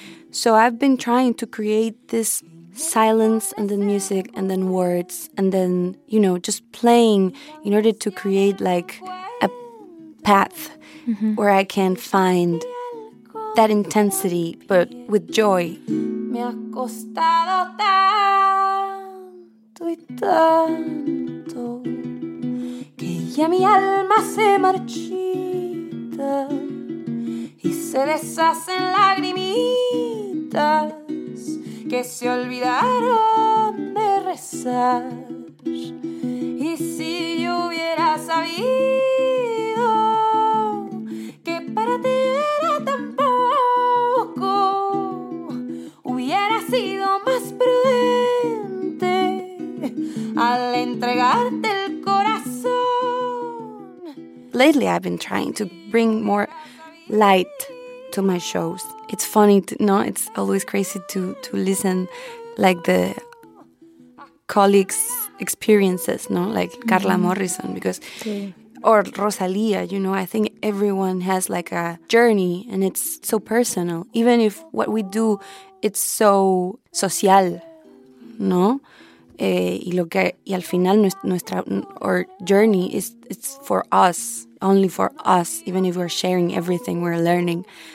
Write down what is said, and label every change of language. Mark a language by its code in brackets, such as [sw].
[en] So I've been trying to create this silence and then music and then words and then, you know, just playing in order to create like a path where I can find that intensity but with joy. [es] Me ha costado tanto y tanto que ya mi alma se marchita y se deshacen lagrimitas que se olvidaron de rezar. Y si yo hubiera sabido que para ti era tan poco, hubiera sido más prudente al entregarte el corazón. [en] Lately I've been trying to bring more light to my shows. It's funny, it's always crazy to listen, like, the colleagues' experiences, like Carla Morrison, because, or Rosalía, I think everyone has, like, a journey, and it's so personal, even if what we do, it's so social, [es] y lo que, y al final nuestra, [en] our journey is, it's for us, only for us, even if we're sharing everything we're learning.